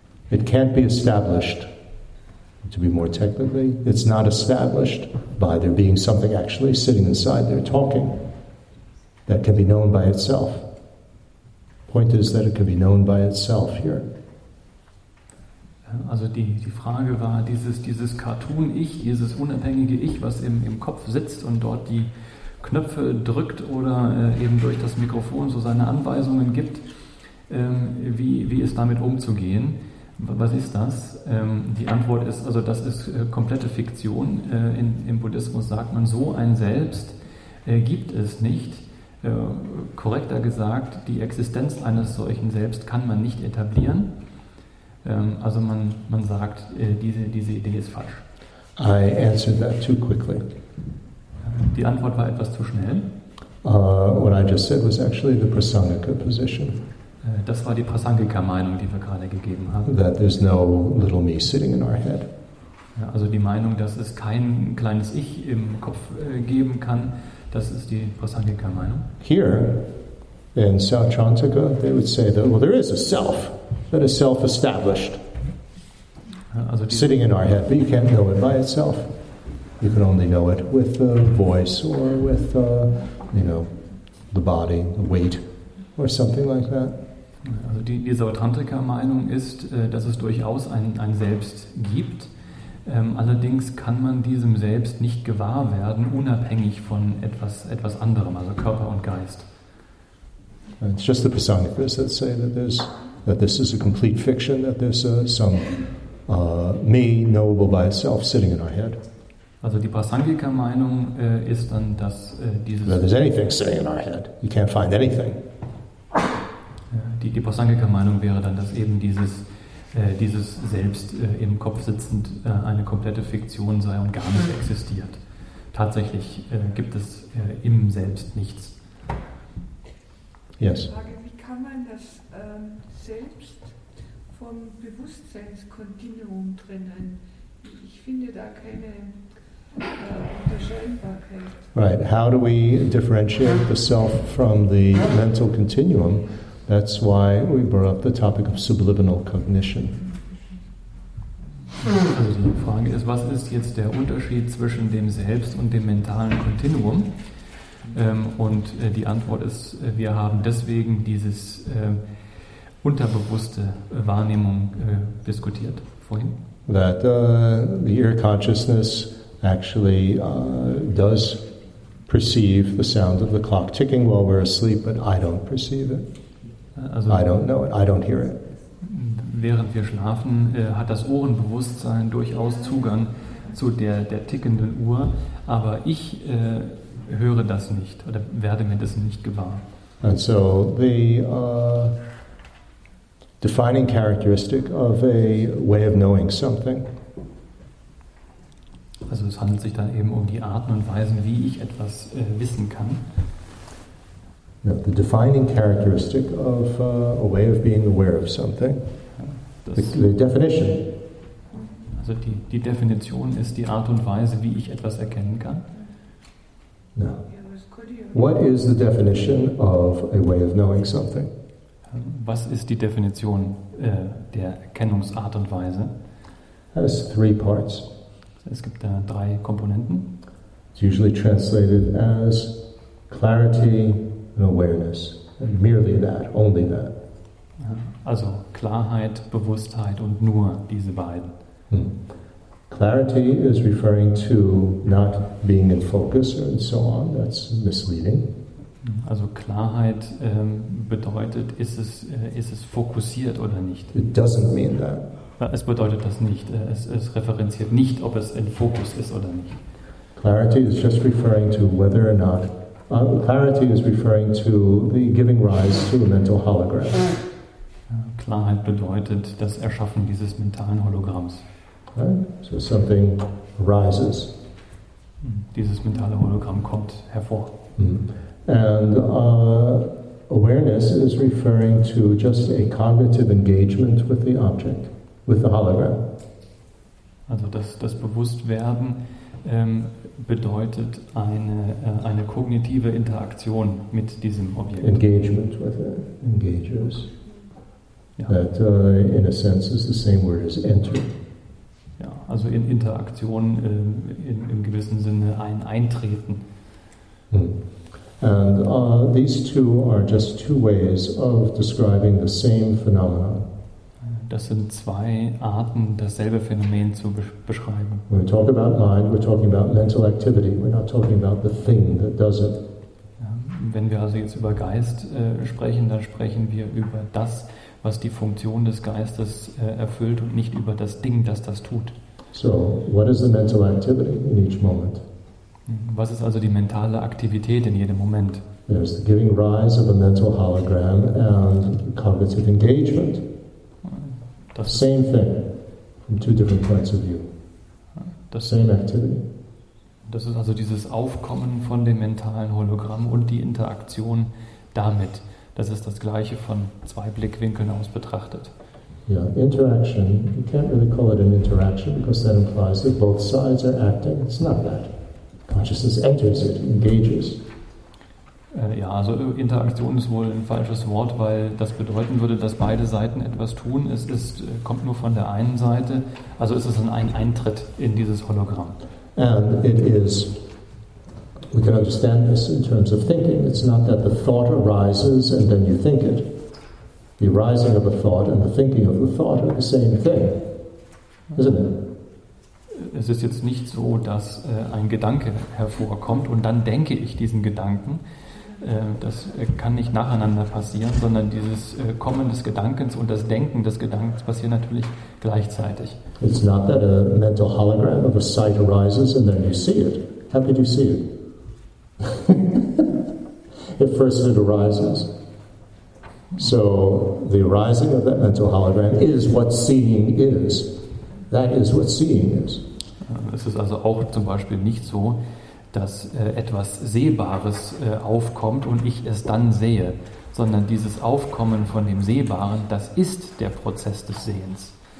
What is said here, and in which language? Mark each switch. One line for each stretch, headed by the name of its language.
English: It can't be established. To be more technically, it's not established by there being something actually sitting inside there talking that can be known by itself. Point is that it can be known by itself here.
German: Also die Frage war, dieses Cartoon-Ich, dieses unabhängige Ich, was im Kopf sitzt und dort die Knöpfe drückt oder eben durch das Mikrofon so seine Anweisungen gibt, wie ist damit umzugehen? Was ist das? Die Antwort ist, also das ist komplette Fiktion. Im Buddhismus sagt man, so ein Selbst gibt es nicht. Korrekter gesagt, die Existenz eines solchen Selbst kann man nicht etablieren. Also man sagt, diese Idee ist falsch.
English: I answered that too quickly.
German: Die Antwort war etwas zu schnell.
English: What I just said was actually the Prasangika position.
German: Das war die Prasangika-Meinung, die wir gerade gegeben haben.
English: That there's no little me sitting in our head.
German: Also die Meinung, dass es kein kleines Ich im Kopf geben kann, das ist die Prasangika-Meinung.
English: Here, in South Chantika, they would say that, well, there is a self, that is self-established,
German: also
English: sitting in our head, but you can't know it by itself. You can only know it with the voice or with, you know, the body, the weight, or something like that.
German: Also diese Tantrika-Meinung ist, dass es durchaus ein Selbst gibt. Allerdings kann man diesem Selbst nicht gewahr werden, unabhängig von etwas anderem, also Körper und Geist.
English: It's just the Prasangikas that say that this is a complete fiction, that there's some me knowable by itself sitting in our head.
German: Also die Prasangika-Meinung ist dann, dass dieses.
English: That there's anything sitting in our head. You can't find anything.
German: Die Prasangika-Meinung wäre dann, dass eben dieses Selbst im Kopf sitzend eine komplette Fiktion sei und gar nicht existiert. Tatsächlich gibt es im Selbst nichts.
English: Yes.
German: Frage, wie kann man das Selbst vom Bewusstseinskontinuum trennen? Ich finde da keine Unterscheidbarkeit.
English: Right. How do we differentiate the self from the mental continuum? That's why we brought up the topic of subliminal cognition.
German: Also die Frage ist, was ist jetzt der Unterschied zwischen dem Selbst und dem mentalen Kontinuum? Und die Antwort ist, wir haben deswegen dieses unterbewusste Wahrnehmung diskutiert vorhin.
English: That the ear consciousness actually does perceive the sound of the clock ticking while we're asleep, but I don't perceive it.
German: Also,
English: I don't know it. I don't hear it.
German: Während wir schlafen, hat das Ohrenbewusstsein durchaus Zugang zu der tickenden Uhr, aber ich höre das nicht oder werde mir das nicht gewahr.
English: And so the defining characteristic of a way of knowing something.
German: Also es handelt sich dann eben um die Arten und Weisen, wie ich etwas wissen kann.
English: The defining characteristic of a way of being aware of something. the definition.
German: Also die Definition ist die Art und Weise, wie ich etwas erkennen kann.
English: No. What is the definition of a way of knowing something?
German: Was ist die Definition der Erkennungsart und Weise?
English: That is three parts.
German: Es gibt da drei Komponenten.
English: It's usually translated as clarity and awareness. And merely that, only that.
German: Also Klarheit, Bewusstheit und nur diese beiden. Hmm.
English: Clarity is referring to not being in focus and so on. That's misleading.
German: Also Klarheit bedeutet, ist es fokussiert oder nicht?
English: It doesn't mean that.
German: Es bedeutet das nicht. Es referenziert nicht, ob es in Fokus ist oder nicht.
English: Clarity is just referring to whether or not. Clarity is referring to the giving rise to a mental hologram.
German: Klarheit bedeutet das Erschaffen dieses mentalen Hologramms.
English: Right? So something rises.
German: Dieses mentale Hologramm kommt hervor. Mm-hmm.
English: And awareness is referring to just a cognitive engagement with the object, with the hologram.
German: Also das Bewusstwerden bedeutet eine kognitive Interaktion mit diesem Objekt.
English: Engagement with it, engages.
German: Ja.
English: That in a sense is the same word as enter.
German: Ja, also in Interaktion im gewissen Sinne ein Eintreten. Hmm.
English: And these two are just two ways of describing the same phenomenon.
German: Das sind zwei Arten, dasselbe Phänomen zu beschreiben.
English: When we talk about mind, we're talking about mental activity. We're not talking about the thing that does it.
German: Wenn wir also jetzt über Geist sprechen, dann sprechen wir über das, was die Funktion des Geistes erfüllt und nicht über das Ding, das das tut.
English: So, what is the mental activity in each moment?
German: Was ist also die mentale Aktivität in jedem Moment?
English: There's the giving rise of a mental hologram and cognitive engagement.
German: Das
English: same thing from two different points of view.
German: Das
English: same activity.
German: Das ist also dieses Aufkommen von dem mentalen Hologramm und die Interaktion damit. Das ist das Gleiche von zwei Blickwinkeln aus betrachtet.
English: Yeah, interaction. You can't really call it an interaction because that implies that both sides are acting. It's not that. Consciousness enters it, engages.
German: Ja, also Interaktion ist wohl ein falsches Wort, weil das bedeuten würde, dass beide Seiten etwas tun. Es ist, kommt nur von der einen Seite. Also es ist ein Eintritt in dieses Hologramm.
English: And it is, we can understand this in terms of thinking. It's not that the thought arises and then you think it. The arising of a thought and the thinking of the thought are the same thing, isn't it?
German: Es ist jetzt nicht so, dass ein Gedanke hervorkommt und dann denke ich diesen Gedanken. Das kann nicht nacheinander passieren, sondern dieses Kommen des Gedankens und das Denken des Gedankens passieren natürlich gleichzeitig.
English: It's not that a mental hologram of a sight arises and then you see it. How could you see it? At first it arises. So the arising of that mental hologram is what seeing is. That is what seeing is.
German: Es ist also auch zum Beispiel nicht so, dass etwas Sehbares aufkommt und ich es dann sehe, sondern dieses Aufkommen von dem Sehbaren, das ist der Prozess des Sehens.